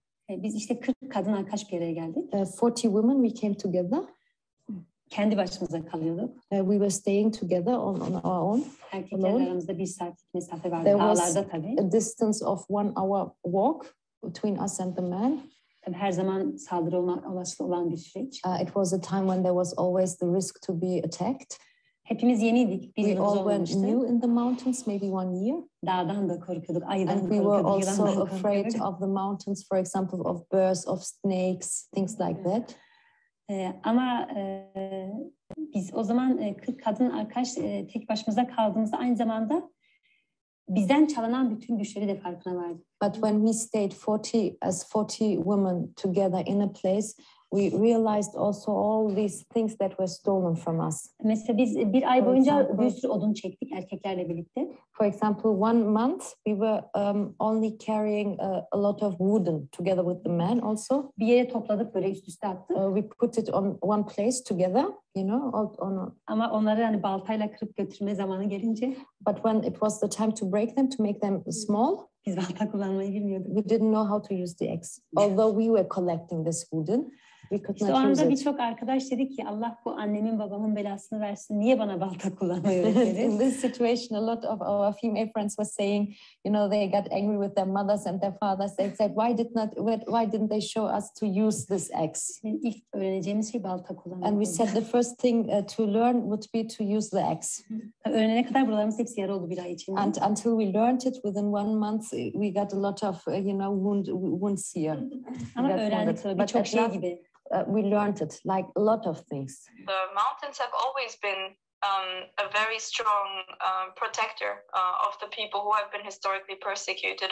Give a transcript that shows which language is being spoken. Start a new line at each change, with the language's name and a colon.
Turkish: Biz işte 40 kadın arkadaş bir araya geldik.
English: 40 women we came together.
Turkish: Kendi başımıza kalıyorduk.
English: We were staying together on our own.
Turkish: Erkekler aramızda bir saatlik mesafe vardı. There dağlarda was tabii.
English: A distance of 1 hour walk between us and the men.
Turkish: Tabii her zaman saldırı olasılığı olan bir süreç.
English: It was a time when there was always the risk to be attacked.
Turkish: Hepimiz yeniydik. Bir
English: we all went
Turkish: olmuştu.
English: New in the mountains, maybe 1 year.
Turkish: Dağdan da korkuyorduk, ayıdan
English: and we were also afraid of the mountains, for example, of birds, of snakes, things like that.
Turkish: Ama biz o zaman 40 kadın arkadaş tek başımıza kaldığımızda aynı zamanda bizden çalınan bütün güçleri de farkına vardık.
English: But when we stayed 40 as 40 women together in a place, we realized also all these things that were stolen from us.
Turkish: Mesela biz bir ay boyunca bir sürü odun çektik erkeklerle birlikte.
English: For example, 1 month we were only carrying a lot of wooden together with the men also.
Turkish: Bir yere topladık böyle üst üste attık.
English: We put it on one place together, you know, on a...
Turkish: Ama onları hani baltayla kırıp götürme zamanı gelince.
English: But when it was the time to break them, to make them small.
Turkish: Biz balta kullanmayı bilmiyorduk.
English: We didn't know how to use the axe. Although we were collecting this wooden.
Turkish: İşte o anda birçok arkadaş dedi ki Allah bu annemin babamın belasını versin niye bana balta kullanmıyor dedi.
English: In this situation a lot of our female friends were saying, you know, they got angry with their mothers and their fathers. They said why didn't they show us to use this axe?
Turkish: Yani ilk öğreneceğimiz şey balta kullanmak.
English: And we said the first thing to learn would be to use the axe.
Turkish: Öğrenene kadar buralarımız hepsi yara oldu bir ay içinde.
English: And until we learned it within 1 month we got a lot of you know wounds here.
Turkish: Ama öğrendik birçok şey gibi.
English: We learned it, like a lot of things. The mountains have always been a very strong protector of the people who have been historically persecuted.